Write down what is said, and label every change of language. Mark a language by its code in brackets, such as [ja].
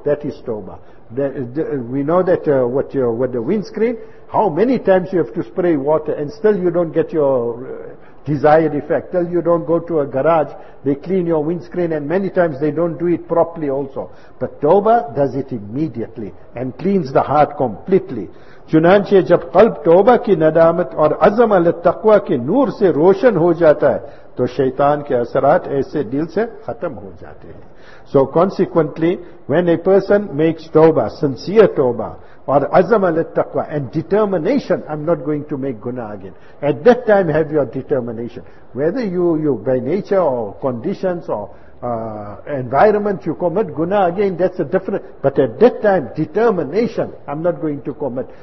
[en] That is tawbah. We know that with the windscreen, how many times you have to spray water, and still you don't get your desired effect. Till you don't go to a garage, they clean your windscreen, and many times they don't do it properly also. But tawbah does it immediately and cleans the heart completely. [ur] چنانچہ جب قلب توبہ کی ندامت اور عزم علی التقوی کے نور سے روشن ہو جاتا ہے تو شیطان کے اثرات ایسے دل سے ختم ہو جاتے ہیں. [en] So consequently, when a person makes توبہ, sincere توبہ [ur] اور عزم علی التقوی [en] and determination, I'm not going to make guna again. At that time have your determination. Whether you by nature or conditions or environment you commit guna again, that's a different, but at that time determination, I'm not going to commit.